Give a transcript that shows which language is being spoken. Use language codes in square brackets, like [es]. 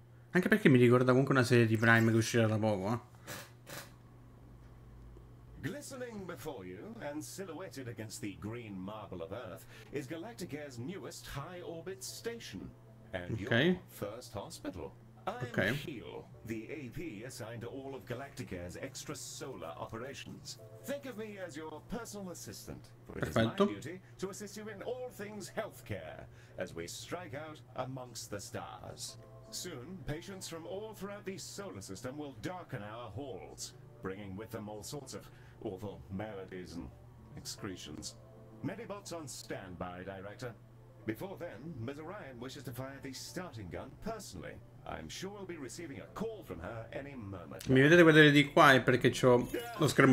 [it] Anche perché mi ricorda comunque una serie di Prime che uscirà da poco, [en] Glistening before you and silhouetted against the green marble of Earth is Galactica's newest high orbit station and [it] eh? Ok. [en] your first hospital. I'm Ok. Heal, the AP assigned to all of Galactica's extrasolar operations. Think of me as your personal assistant, for it is my [it] Perfetto. [en] duty to assist you in all things healthcare as we strike out amongst the stars. Soon, patients from all throughout the solar system will darken our halls, bringing with them all sorts of awful maladies and excretions. Medibots on standby, Director. Before then, Ms. Orion wishes to fire the starting gun personally. I'm sure we'll be receiving a call from her any moment [it] Mi vedete guardare di qua è perché c'ho lo schermo